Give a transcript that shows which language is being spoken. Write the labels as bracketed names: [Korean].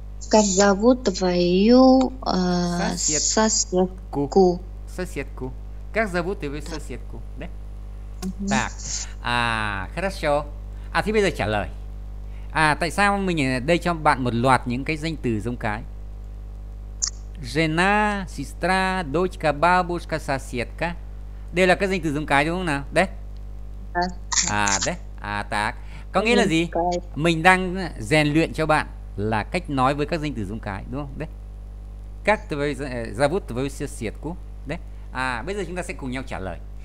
[Russian] Как зовут твою соседку? Соседку. Как зовут твою соседку? Да. Так. Хорошо. [Vietnamese] Thì bây giờ trả lời. Tại sao mình đây cho bạn một loạt những cái danh từ giống cái? [Russian] Жена, сестра, дочка, бабушка, соседка. [Vietnamese] Đều là các danh từ giống cái đúng không nào? Đấy. Đấy. [Russian] Так. [Vietnamese] Có nghĩa là gì? Mình đang rèn luyện cho bạn là cách nói với các danh từ giống cái, đúng không? Đấy. Các từ gia vút với siết siết cũ. Đấy. Bây giờ chúng ta sẽ cùng nhau trả lời.